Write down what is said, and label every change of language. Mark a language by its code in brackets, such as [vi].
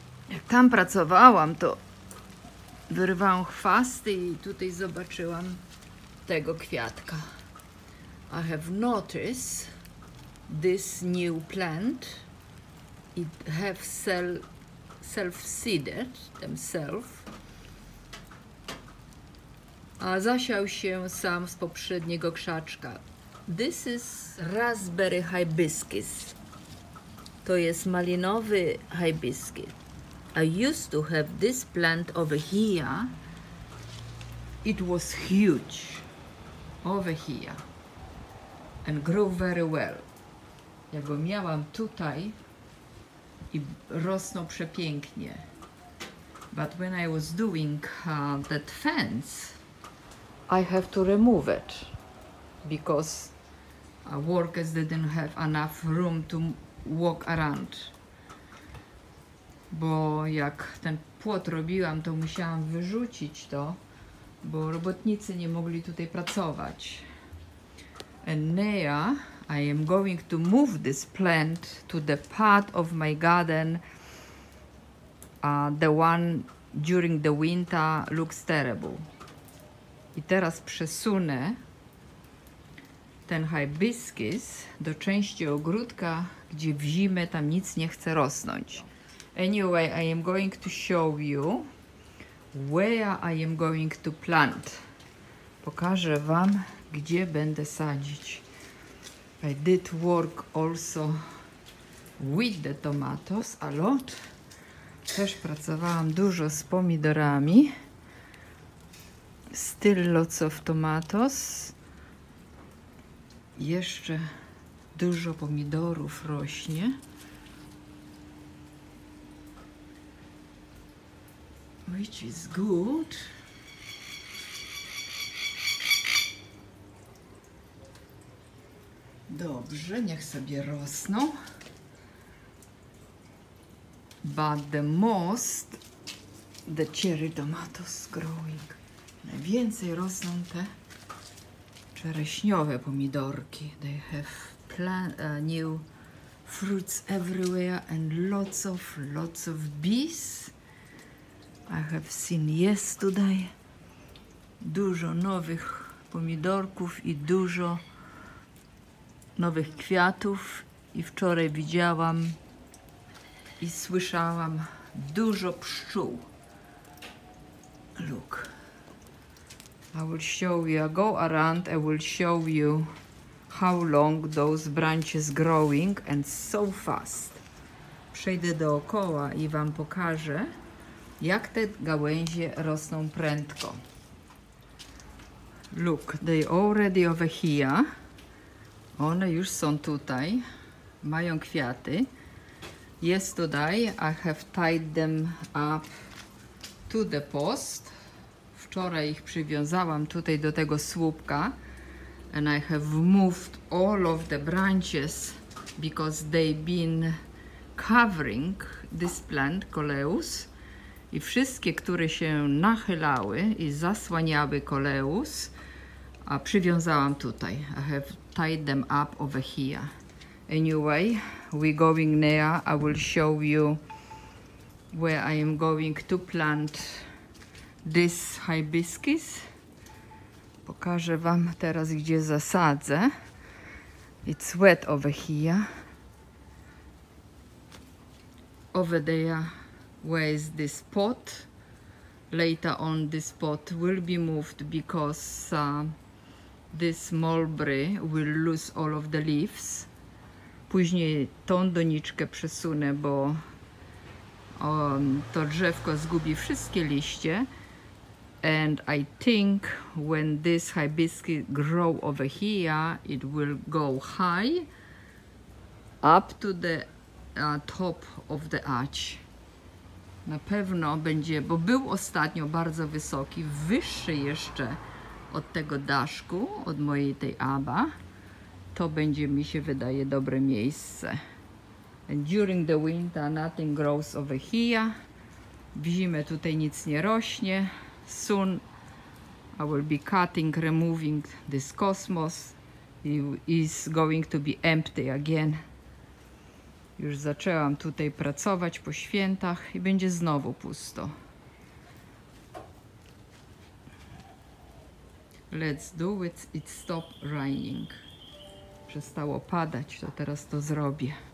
[pl] Jak tam pracowałam, to wyrywałam chwasty i tutaj zobaczyłam tego kwiatka. [en] I have noticed this new plant. It have self-seeded themselves. [pl] A zasiał się sam z poprzedniego krzaczka. [en] This is raspberry hibiscus. [pl] To jest malinowy hibiscus. [en] I used to have this plant over here. It was huge. Over here. And grew very well. [pl] Ja go miałam tutaj i rosnął przepięknie. [en] But when I was doing that fence, I have to remove it because workers didn't have enough room to walk around. [pl] Bo jak ten płot robiłam, to musiałam wyrzucić to, bo robotnicy nie mogli tutaj pracować. [en] And now I am going to move this plant to the part of my garden, the one during the winter looks terrible. [pl] I teraz przesunę ten hibiscus do części ogródka, gdzie w zimę tam nic nie chce rosnąć. [en] Anyway, I am going to show you where I am going to plant. [pl] Pokażę wam, gdzie będę sadzić. [en] I did work also with the tomatoes a lot. [pl] Też pracowałam dużo z pomidorami. [en] Still lots of tomatoes. [pl] Jeszcze dużo pomidorów rośnie. [en] Which is good. [pl] Dobrze, niech sobie rosną. [en] But the most the cherry tomatoes growing. [pl] Najwięcej rosną te czereśniowe pomidorki. [en] They have new fruits everywhere and lots of bees. I have seen yesterday. [pl] Dużo nowych pomidorków i dużo nowych kwiatów. I wczoraj widziałam i słyszałam dużo pszczół. [en] Look. I will show you, I go around, I will show you how long those branches growing and so fast. [pl] Przejdę dookoła i wam pokażę, jak te gałęzie rosną prędko. [en] Look, they already over here. [pl] One już są tutaj, mają kwiaty. [en] Yesterday I have tied them up to the post. [pl] Wczoraj ich przywiązałam tutaj do tego słupka. [en] And I have moved all of the branches because they've been covering this plant, coleus. [pl] I wszystkie, które się nachylały i zasłaniały coleus, a przywiązałam tutaj. [en] I have tied them up over here. Anyway, we're going there. I will show you where I am going to plant this hibiscus. [pl] Pokażę wam teraz, gdzie zasadzę. [en] It's wet over here. Over there, where is this pot? Later on, this pot will be moved because this mulberry will lose all of the leaves. [pl] Później tą doniczkę przesunę, bo to drzewko zgubi wszystkie liście. [en] And I think when this hibiscus grow over here, it will go high up to the top of the arch. [pl] Na pewno będzie, bo był ostatnio bardzo wysoki, wyższy jeszcze od tego daszku, od mojej tej aba. To będzie, mi się wydaje, dobre miejsce. [en] And during the winter nothing grows over here. [pl] W zimę tutaj nic nie rośnie. [en] Soon I will be cutting, removing this cosmos. It is going to be empty again. [pl] Już zaczęłam tutaj pracować po świętach i będzie znowu pusto. [en] Let's do it, it stopped raining. [pl] Przestało padać, to teraz to zrobię.